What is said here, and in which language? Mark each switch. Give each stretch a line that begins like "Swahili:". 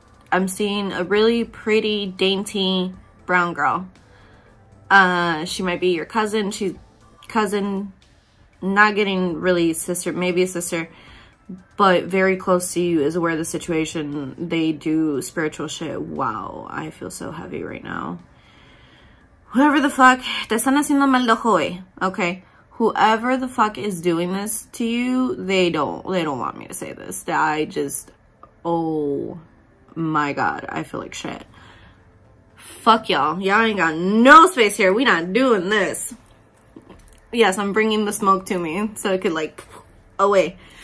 English: I'm seeing a really pretty, dainty brown girl. She might be your cousin. She's cousin, not getting really sister, maybe a sister, but very close to you, is aware of the situation. They do spiritual shit. Wow, I feel so heavy right now. Whoever the fuck,
Spanish: te están haciendo mal de ojo, okay?
English: Whoever the fuck is doing this to you, they don't want me to say this. I just, oh my god, I feel like shit. Fuck y'all. Y'all ain't got no space here. We not doing this. Yes, I'm bringing the smoke to me so it could, like, away.